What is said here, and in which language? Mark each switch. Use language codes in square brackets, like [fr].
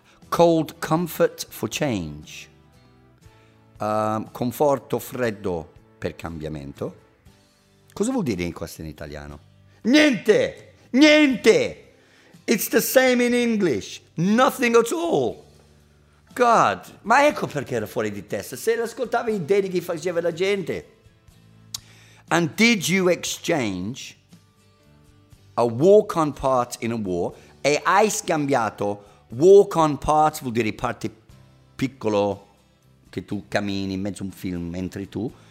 [en] Cold comfort for change. [it] Conforto freddo per cambiamento. Cosa vuol dire in questo in italiano? Niente! Niente! [en] It's the same in English. Nothing at all. [it] God, ma ecco perché era fuori di testa. Se l'ascoltavi i dedichi faceva la gente. [en] And did you exchange a walk-on part in a war? [it] E hai scambiato walk-on parts, vuol dire parte piccolo che tu cammini in mezzo a un film, entri tu.